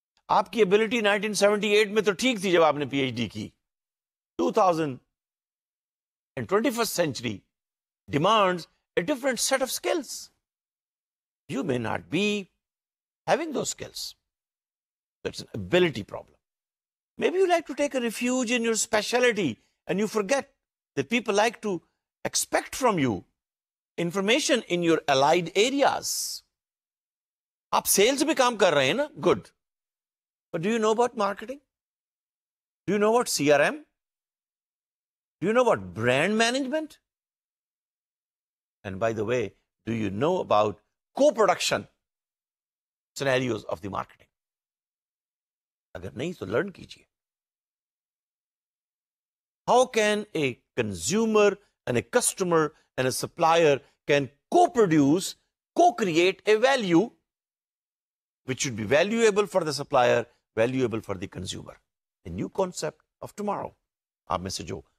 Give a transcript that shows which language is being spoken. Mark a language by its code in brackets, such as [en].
[hi] आपकी एबिलिटी 1978 में तो ठीक थी जब आपने पीएचडी की, 2021st [en] Century demands a different set of skills. You may not be having those skills. It's an ability problem. Maybe you like to take a refuge in your specialty and you forget that people like to expect from you information in your allied areas. [hi] Aap sales bhi kaam kar rahe hain na, [en] good. But do you know about marketing? Do you know about CRM? Do you know about brand management? And by the way, do you know about co-production scenarios of the marketing? [hi] अगर नहीं तो learn कीजिए. [en] How can a consumer and a customer and a supplier can co produce, co create a value which should be valuable for the supplier, valuable for the consumer. A new concept of tomorrow. [hi] आप में से जो